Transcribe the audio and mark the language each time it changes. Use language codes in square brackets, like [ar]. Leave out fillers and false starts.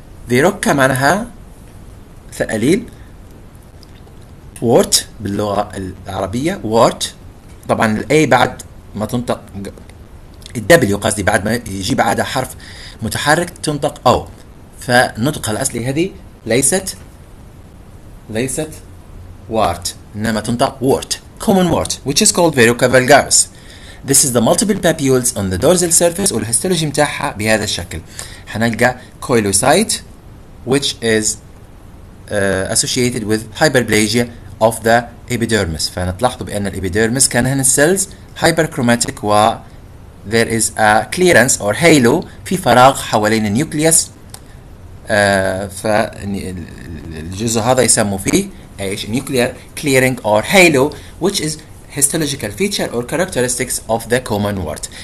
[ar] verruca معناها تأليل, wart باللغة العربية wart طبعا الاي بعد ما تنطق الدبليو قصدي بعد ما يجي بعدها حرف متحرك تنطق او فنطقها الاصلي هذه ليست wart انما تنطق wart [en] common wart which is called verruca vulgaris. This is the multiple papules on the dorsal surface [ar] والهستولوجي متاعها بهذا الشكل. [en] حنلقى coelocyte which is associated with hyperplasia of the epidermis. [ar] فنتلاحظوا بأن الإبيديرمس كان هنا السيلز hyperchromatic و [en] there is a clearance or halo [ar] في فراغ حوالين النيوكليوس. فالجزء هذا يسمو فيه ايش [en] nuclear clearing or halo which is histological feature or characteristics of the common wart.